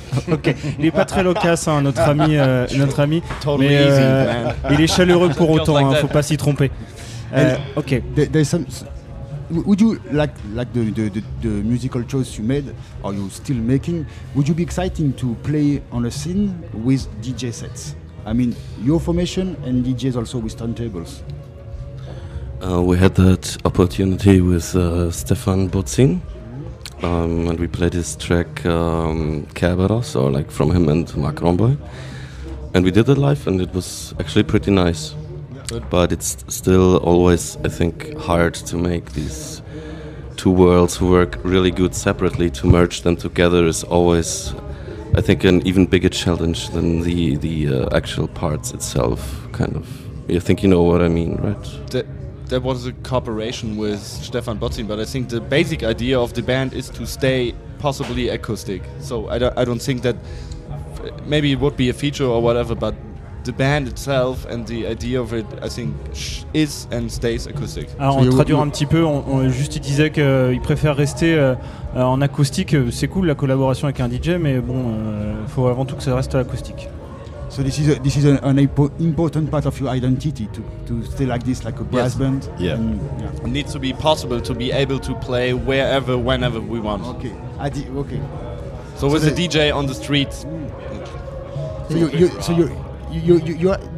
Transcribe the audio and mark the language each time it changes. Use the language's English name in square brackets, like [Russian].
[French] Ok, il est pas très loquace, hein, notre ami. [English] Totally [French] mais, [English] easy, man. [French] Il est chaleureux pour autant, like, hein, faut pas s'y tromper. [English] Okay. There's some. Would you like the musical choice you made, or you still making? Would you be exciting to play on a scene with DJ sets? I mean, your formation and DJs also with turntables. We had that opportunity with Stefan Butzin, and we played his track Kerberos, or like from him and Marc Romboy, and we did it live, and it was actually pretty nice. But it's still always, I think, hard to make these two worlds work really good separately. To merge them together is always, I think, an even bigger challenge than the actual parts itself, kind of. I think you know what I mean, right? That was a cooperation with Stefan Botzin, but I think the basic idea of the band is to stay possibly acoustic. So I don't think that, maybe it would be a feature or whatever, but the band itself and the idea of it, I think, is and stays acoustic. [French] Alors, on traduit un petit peu, on juste disait qu'il préfère rester en acoustique. C'est cool la collaboration avec un DJ, mais bon, il faut avant tout que ça reste acoustique. [English] So this is an important part of your identity, to stay like this, like a brass yes. band? Yeah. And, yeah. It needs to be possible to be able to play wherever, whenever we want. Okay. Okay. So with a DJ on the street. Yeah.